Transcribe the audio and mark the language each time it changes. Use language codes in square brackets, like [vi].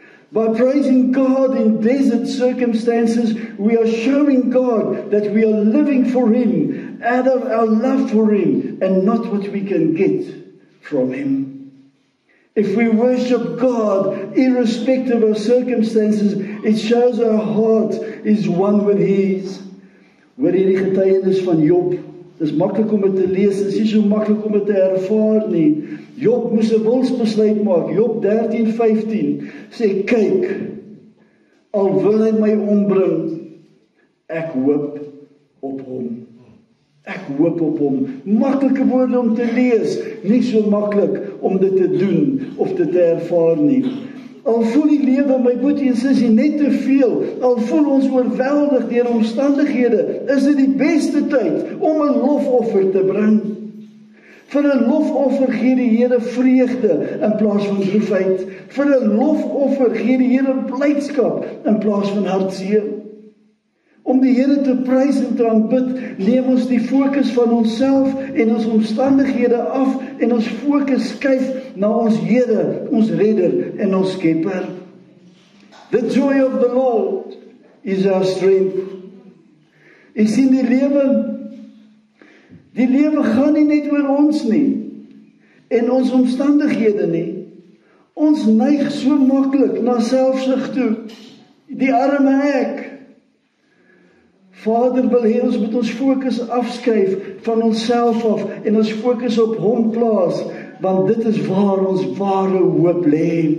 [en] By praising God in desert circumstances, we are showing God that we are living for Him out of our love for Him and not what we can get from Him. If we worship God irrespective of circumstances, it shows our heart is one with His. [af] Hoor hierdie getuienis van Job. Dis maklik om dit te lees, dis nie so maklik om dit te ervaar nie. Job moes 'n wilsbesluit maak. Job 13:15 sê, kyk, al wil hy my ombring, ek hoop op hom. Ek hoop op hom. Maklike woorde om te lees, nie so maklik om dit te doen of dit te ervaar nie. Al voel die lewe, my boetie en sussie, net te veel, al voel ons oorweldig deur omstandighede, is dit die beste tyd om 'n lofoffer te bring. Vir 'n lofoffer gee die Here vreugde in plaas van droefheid. Vir 'n lofoffer gee die Here blydskap in plaas van hartseer. Om die Here te prys en te aanbid, neem ons die fokus van onsself en ons omstandighede af en ons fokus skuif na ons Here, ons Redder en ons Skepper. [en] The joy of the Lord is our strength. [af] Jy sien die lewe gaan nie net oor ons nie en ons omstandighede nie. Ons neig so maklik na selfsug toe. Die arme ek. Vader wil hê ons moet ons fokus afskuif van onsself af en ons fokus op Hom plaas, want dit is waar ons ware hoop lê.